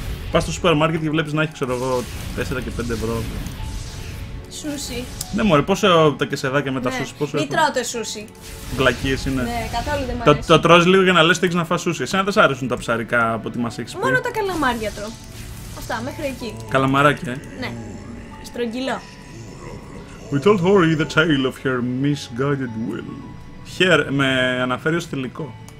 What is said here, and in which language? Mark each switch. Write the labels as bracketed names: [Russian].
[Greek] Πα στο σούπερ μάρκετ και βλέπει να έχει, ξέρω εγώ, 4 και 5 ευρώ. Σούσι. Ναι, μωρέ, πόσο τα κεσεδάκια με τα σούσι, πόσο έχουν. Μη τρώτε σούσι. Βλακίες είναι. Ναι, καθόλου δεν μ' αρέσει. Το τρως λίγο για να λες ότι έχεις να φας σούσι. Εσένα δεν σ' αρέσουν τα ψαρικά από ό,τι μας έχεις πει. Μόνο τα καλαμάρια τρώω. Αυτά, μέχρι εκεί. Καλαμαράκια, Ναι. Στρογγυλό. [English] We told Hori the tale of her misguided will. Here, [Greek] με αναφέρει ως θηλυκό.